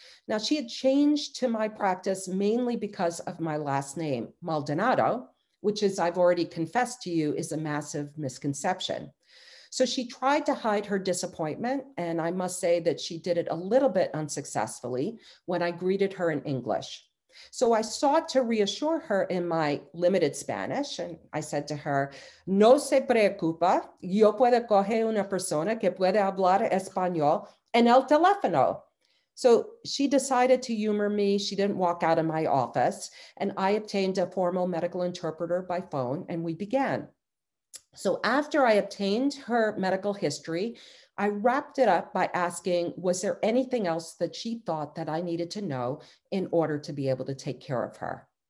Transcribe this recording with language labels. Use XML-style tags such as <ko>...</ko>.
<en>Now, she had changed to my practice mainly because of my last name, Maldonado, which, as I've already confessed to you, is a massive misconception. So she tried to hide her disappointment, and I must say that she did it a little bit unsuccessfully when I greeted her in English. So I sought to reassure her in my limited Spanish, and I said to her,</en> <es>no se preocupa, yo puedo coger una persona que puede hablar español en el teléfono.</es> <en>So she decided to humor me. She didn't walk out of my office, and I obtained a formal medical interpreter by phone, and we began. So after I obtained her medical history, I wrapped it up by asking, was there anything else that she thought that I needed to know in order to be able to take care of her?</en>